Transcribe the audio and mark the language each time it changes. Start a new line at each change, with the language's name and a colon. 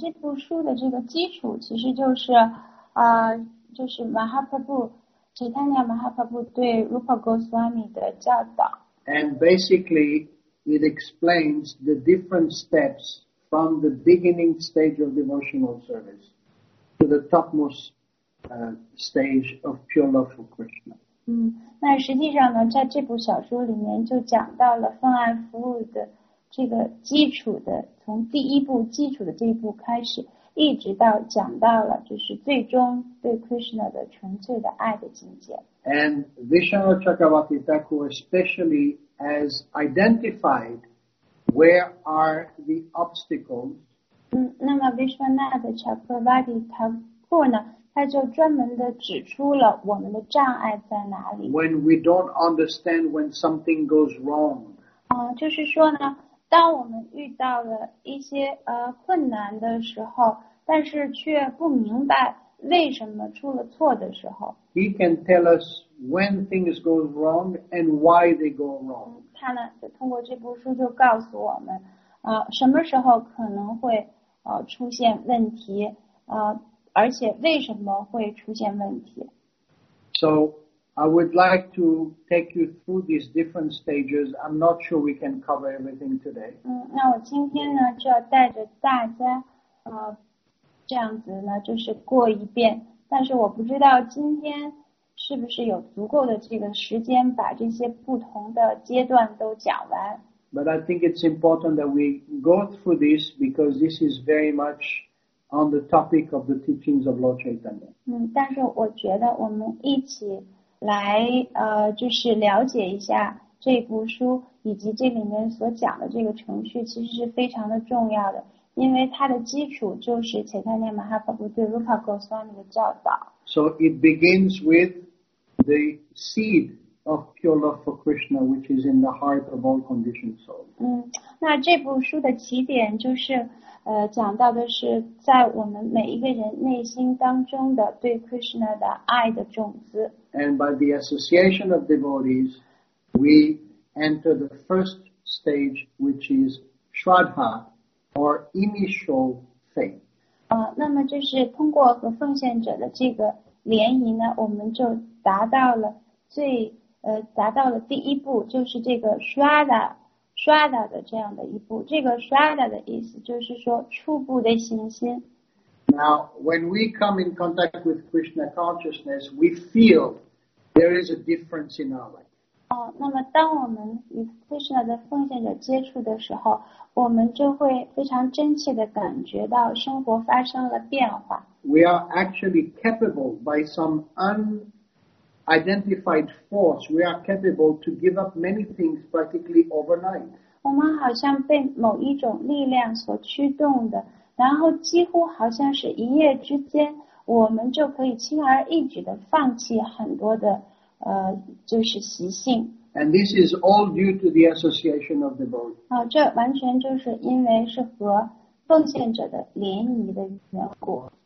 Chinese: 这部书的这个基础其实就是 Mahaprabhu, Chaitanya Mahaprabhu 对 Rupa Goswami 的教导。
English: And basically,It explains the different steps from the beginning stage of devotional service to the topmost stage of pure love for Krishna.
Chinese: 那实际上呢，在这部小书里面就讲到了奉爱服务的这个基础的，从第一步基础的这一步开始，一直到讲到了就是最终对 Krishna 的纯粹的爱的境界。
English: And Vishwanath Chakravarti Thakur especially. Has identified where are the obstacles.
Chinese: 那么 Vishwanath Chakravarti Thakur 呢，他就专门的指出了我们的障碍在哪里。
English: When we don't understand when something goes wrong.
Chinese: 就是说呢，当我们遇到了一些困难的时候，但是却不明白为什么出了错的时候。
English: He can tell us. When things go wrong and why they go wrong.
Chinese: 他呢，通过这部书就告诉我们，什么时候可能会出现问题，而且为什么会出现问题。
English: So I would like to take you through these different stages. I'm not sure we can cover everything today.
Chinese: 那我今天呢，就要带着大家，这样子呢，就是过一遍但是我不知道今天是不是有足够的这个时间把这些不同的阶段都讲完。
English: But I think it's important that we go through this because this is very much on the topic of the teachings of Lord Chaitanya.
Chinese: 但是我觉得我们一起来就是了解一下这部书以及这里面所讲的这个程序其实是非常的重要的，因为它的基础就是 Chaitanya Mahaprabhu 对 Rupa Goswami 的教导。
English: So it begins with the seed of pure love for Krishna, which is in the heart of all conditioned souls.
Chinese: 那这部书的起点就是讲到的是在我们每一个人内心当中的对 Krishna 的爱的种子。
English: And by the association of devotees, we enter the first stage, which is Shraddha, or initial faith.
Chinese: 那么就是通过和奉献者的这个联谊呢，我们就达到了最达到了第一步，就是这个 Shraddha 的这样的一步。这个 Shraddha 的意思就是说初步的信心。
English: Now, when we come in contact with Krishna consciousness, we feel there is a difference in our life.
Chinese: 那么当我们与 Krishna 的奉献者接触的时候，我们就会非常真切的感觉到生活发生了变化。
English: We are actually capable by some unidentified force, we are capable to give up many things practically overnight.
Chinese: 我们好像被某一种力量所驱动的，然后几乎好像是一夜之间，我们就可以轻而易举地放弃很多的就是习性。
English: And this is all due to the association of the devotees.
Chinese: 这完全就是因为是和奉献者的联谊的缘故。